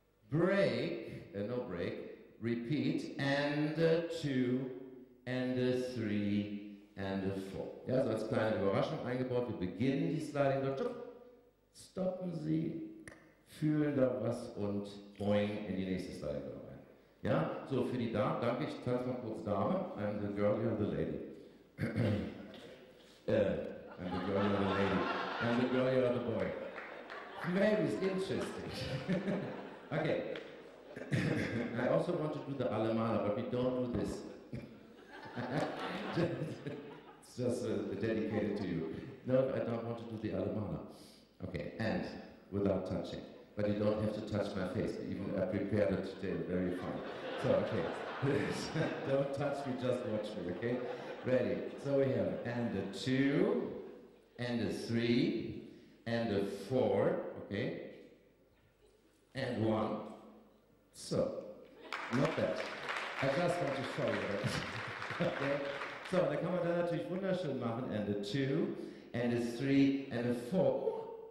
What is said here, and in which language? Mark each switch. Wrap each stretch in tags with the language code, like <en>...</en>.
<en>Break, no break, repeat, and 2, and 3, and 4.</en> <de>Ja, so als kleine Überraschung eingebaut, wir beginnen die Sliding Door, stoppen Sie, fühlen da was und boing, in die nächste Sliding Door rein. Ja, so für die Dame, danke, ich tanze mal kurz Dame,</de> <en>I'm the girl, you're the lady. I'm the girl, you're the lady, I'm the girl, you're the boy. Maybe it's interesting. Okay, I also want to do the Alemana, but we don't do this. It's just dedicated to you. No, I don't want to do the Alemana. Okay, and without touching. but you don't have to touch my face. Even I prepared it today, very fun. So, okay. Don't touch me, just watch me, okay? Ready. So we have and a two, and a three, and a four, okay? And one. So, not bad. I just want to show you that. Okay?</en> <de>So, da kann man da natürlich wunderschön machen.</de> <en>And a two, and a three, and a four.</en>